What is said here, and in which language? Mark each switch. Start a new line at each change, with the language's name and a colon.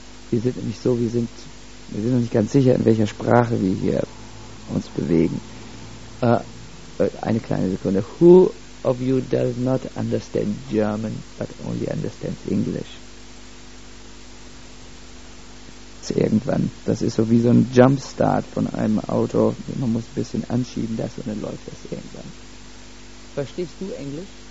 German: Wir sind nämlich so, wir sind noch nicht ganz sicher, in welcher Sprache wir hier uns bewegen. Eine kleine Sekunde.
English: Who of you does not understand German, but only understands English?
German: Ist irgendwann. Das ist so wie so ein Jumpstart von einem Auto. Man muss ein bisschen anschieben, das, und dann läuft das irgendwann. Verstehst du Englisch?